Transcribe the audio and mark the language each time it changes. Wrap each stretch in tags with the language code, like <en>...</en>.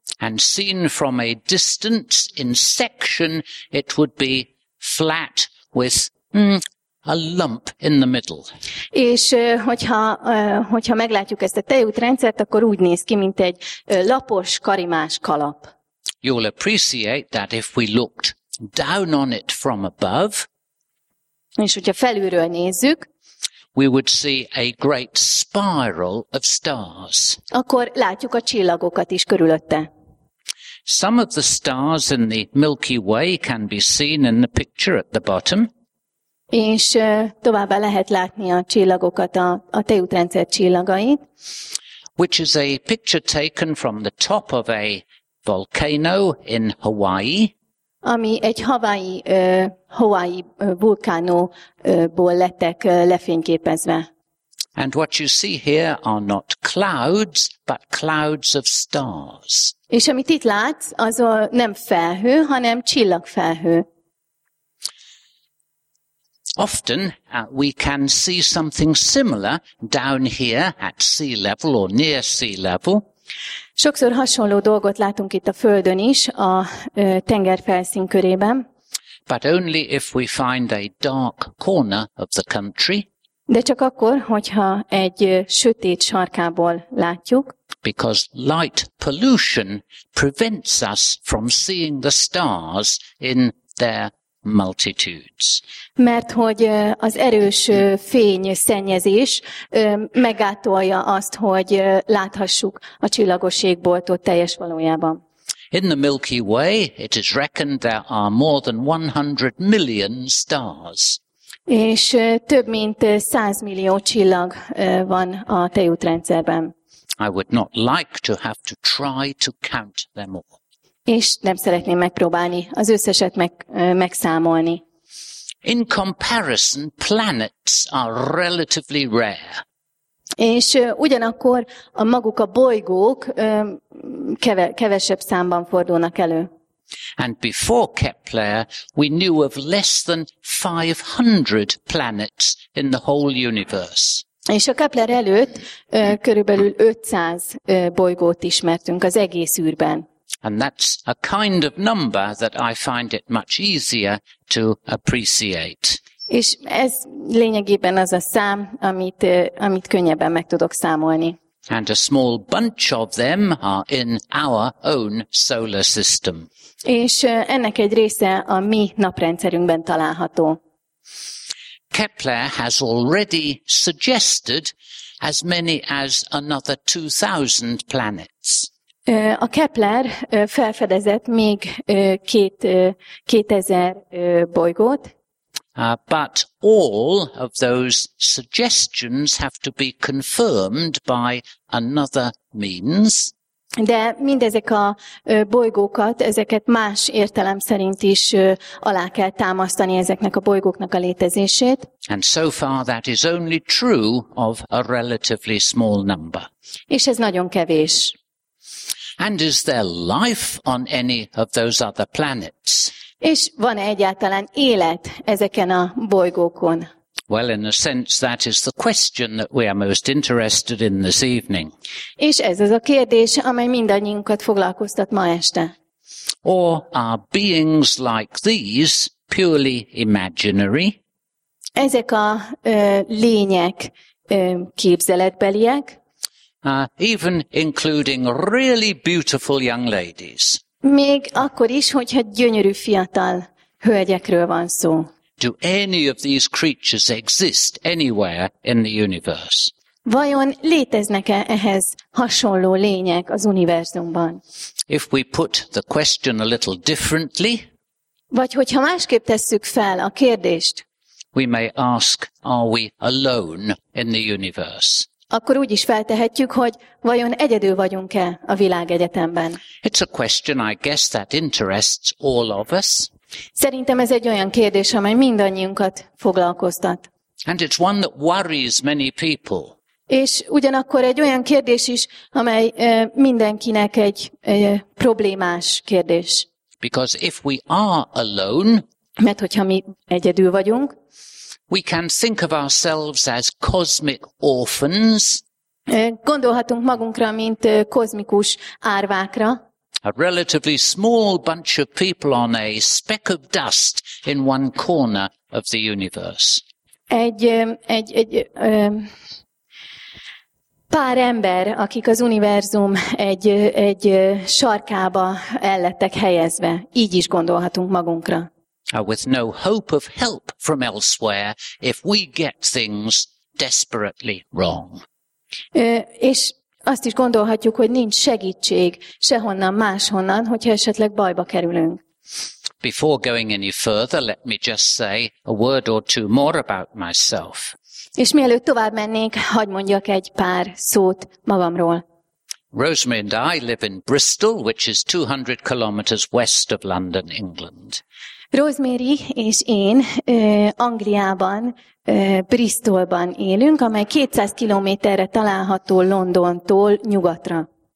<en>And seen from a distance in section, it would be flat with a lump in the middle.</en> <hu>És hogyha meglátjuk ezt a tejútrendszert, akkor úgy néz ki, mint egy lapos, karimás kalap.</hu> <en>You'll appreciate that if we looked down on it from above.</en> <hu>És hogyha felülről nézzük,</hu> <en>we would see a great spiral of stars.</en> <hu>Akkor látjuk a csillagokat is körülötte.</hu> <en>Some of the stars in the Milky Way can be seen in the picture at the bottom.</en> <hu>És továbbá lehet látni a csillagokat, a tejútrendszer csillagait.</hu> <en>Which is a picture taken from the top of a volcano in Hawaii.</en> <hu>Ami egy Hawaii vulkánóból lettek lefényképezve.</hu> <en>And what you see here are not clouds, but clouds of stars.</en> <hu>És amit itt látsz, az nem felhő, hanem csillagfelhő.</hu> <en>Often we can see something similar down here at sea level or near sea level.</en> <hu>Sokszor hasonló dolgot látunk itt a földön is, a tengerfelszín körében.</hu> <en>But only if we find a dark corner of the country.</en> <hu>De csak akkor, hogyha egy sötét sarkából látjuk.</hu> <en>Because light pollution prevents us from seeing the stars in their multitudes.</en> <hu>Mert hogy az erős fény szennyezés megátolja azt, hogy láthassuk a csillagos égboltot teljes valójában.</hu> <en>In the Milky Way, it is reckoned there are more than 100 million stars.</en> <hu>És több mint 100 millió csillag van a tejútrendszerben.</hu> <en>I would not like to have to try to count them all.</en> <hu>És nem szeretném megpróbálni az összeset megszámolni.</hu> <en>In comparison, planets are relatively rare.</en> <hu>És ugyanakkor a maguk a bolygók kevesebb számban fordulnak elő.</hu> <en>And before Kepler, we knew of less than 500 planets in the whole universe.</en> <hu>És a Kepler előtt körülbelül 500 bolygót ismertünk az egész űrben.</hu> <en>And that's a kind of number that I find it much easier to appreciate.</en> <hu>És ez lényegében az a szám, amit könnyebben meg tudok számolni.</hu> <en>And a small bunch of them are in our own solar system.</en> <hu>És ennek egy része a mi naprendszerünkben található.</hu> <en>Kepler has already suggested as many as another 2,000 planets.</en> <hu>A Kepler felfedezett még 2000 bolygót.</hu> <en>But all of those suggestions have to be confirmed by another means.</en> <hu>De mindezek a bolygókat, ezeket más értelem szerint is alá kell támasztani ezeknek a bolygóknak a létezését.</hu> <en>And so far that is only true of a relatively small number.</en> <hu>És ez nagyon kevés.</hu> <en>And is there life on any of those other planets?</en> <hu>És van-e egyáltalán élet ezeken a bolygókon?</hu> <en>Well, in a sense, that is the question that we are most interested in this evening.</en> <hu>És ez az a kérdés, amely mindannyiunkat foglalkoztat ma este.</hu> <en>Or are beings like these purely imaginary?</en> <hu>Ezek a lények képzeletbeliek.</hu> <en>Even including really beautiful young ladies.</en> <hu>Még akkor is, hogyha gyönyörű fiatal hölgyekről van szó.</hu> <en>Do any of these creatures exist anywhere in the universe?</en> <hu>Vajon léteznek-e ehhez hasonló lények az univerzumban?</hu> <en>If we put the question a little differently,</en> <hu>vagy hogyha másképp tesszük fel a kérdést,</hu> <en>we may ask, are we alone in the universe?</en> <hu>Akkor úgy is feltehetjük, hogy vajon egyedül vagyunk-e a világegyetemben.</hu> <en>It's a question, I guess, that interests all of us.</en> <hu>Szerintem ez egy olyan kérdés, amely mindannyiunkat foglalkoztat.</hu> <en>And it's one that worries many people.</en> <hu>És ugyanakkor egy olyan kérdés is, amely mindenkinek egy problémás kérdés.</hu> <en>Because if we are alone,</en> <hu>mert hogyha mi egyedül vagyunk,</hu> <en>we can think of ourselves as cosmic orphans.</en> <hu>Gondolhatunk magunkra, mint kozmikus árvákra.</hu> <en>A relatively small bunch of people on a speck of dust in one corner of the universe.</en> <hu>Egy pár ember, akik az univerzum egy sarkába ellettek helyezve. Így is gondolhatunk magunkra.</hu> <en>With no hope of help from elsewhere if we get things desperately wrong.</en> <hu>És azt is gondolhatjuk, hogy nincs segítség sehonnan máshonnan, hogyha esetleg bajba kerülünk.</hu> <en>before going any further, let me just say a word or two more about myself.</en> <hu>És mielőtt tovább mennék, hadd mondjak egy pár szót magamról.</hu> <en>Rosemary and I live in Bristol, which is 200 kilometers west of London, England.</en> <hu>Rosemary és én Angliában, Bristolban élünk, amely 200 kilométerre található Londontól nyugatra.</hu>